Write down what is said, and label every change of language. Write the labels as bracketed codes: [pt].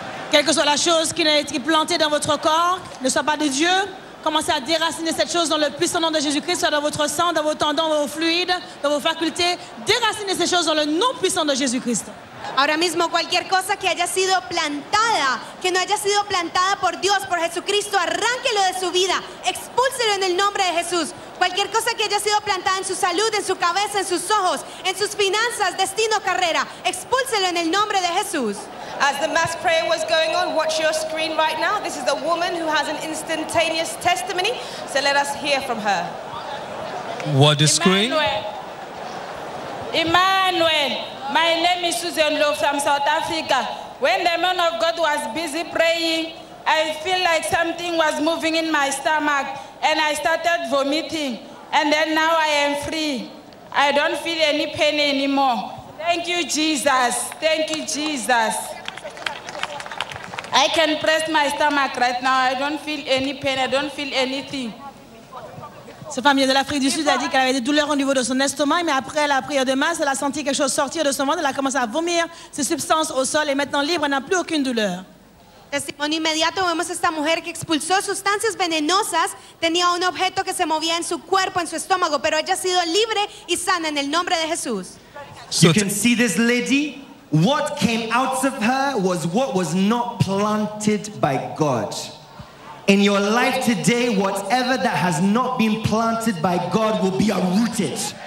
[fr] Quelle que soit la chose qui n'a été plantée dans votre corps, ne soit pas de Dieu, commencez à déraciner cette chose dans le puissant nom de Jésus-Christ, soit dans votre sang, dans vos tendons, dans vos fluides, dans vos facultés. Déracinez ces choses dans le nom puissant de Jésus-Christ. [es] Ahora mismo, cualquier cosa que haya sido plantada, que no haya sido plantada por Dios, por Jesucristo, arránquelo de su vida, expúlselo en el nombre de Jesús. Cualquier cosa que haya sido plantada en su salud, en su cabeza, en sus ojos, en sus finanzas, destino, carrera, expúlselo en el nombre de Jesús. [en] As the mass prayer was going on, watch your screen right now. This is a woman who has an instantaneous testimony, so let us hear from her. What the screen? Emmanuel, my name is Susan Love from South Africa. When the man of God was busy praying, I feel like something was moving in my stomach and I started vomiting. And then now I am free. I don't feel any pain anymore. Thank you, Jesus. Thank you, Jesus. I can press my stomach right now. I don't feel any pain. I don't feel anything. [fr] Cette femme vient de l'Afrique du Sud, elle a dit qu'elle avait des douleurs au niveau de son estomac, mais après la prière de masse, elle a senti quelque chose sortir de son ventre, elle a commencé à vomir ses substances au sol et maintenant libre, elle n'a plus aucune douleur. [es] Testimonio inmediato, vemos esta mujer que expulsó sustancias venenosas, tenía un objeto que se movía en su cuerpo, en su estómago, pero ella ha sido libre y sana en el nombre de Jesús. [en] You can see this lady, what came out of her was what was not planted by God. In your life today, whatever that has not been planted by God will be uprooted.